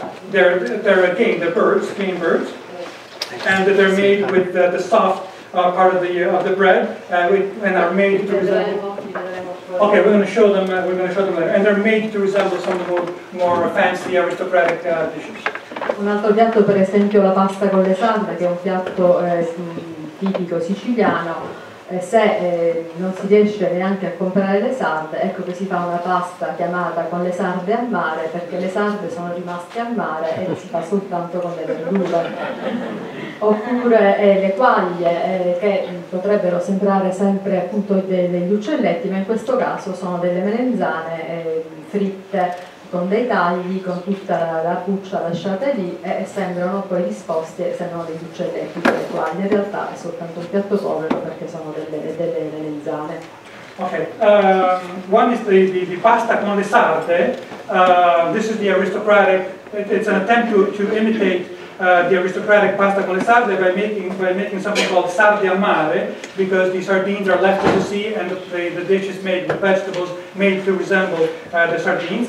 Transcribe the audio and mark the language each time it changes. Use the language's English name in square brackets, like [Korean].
[English] They're again, the birds, game birds, and they're made with the soft part of the bread, and are made to resemble. Okay, we're going to show them. We're going to show them later, and they're made to resemble some of the more fancy aristocratic dishes. [Italian] Un altro piatto, per esempio, la pasta con le sarde, che è un piatto tipico siciliano. Se non si riesce neanche a comprare le sarde, ecco che si fa una pasta chiamata con le sarde al mare, perché le sarde sono rimaste al mare e si fa soltanto con le verdure. Oppure le quaglie, che potrebbero sembrare sempre appunto degli uccelletti, ma in questo caso sono delle melanzane fritte con dei tagli, con tutta la buccia lasciata lì, e sembrano poi disposti, se non degli uccelletti, delle quaglie. In realtà è soltanto un piatto povero, perché sono delle melanzane. [English] Ok, one is the pasta con le sarde. This is the aristocratic, it's an attempt to imitate the aristocratic pasta con le sarde by making something called sardi a mare, because the sardines are left to the sea and the dish is made with vegetables made to resemble the sardines.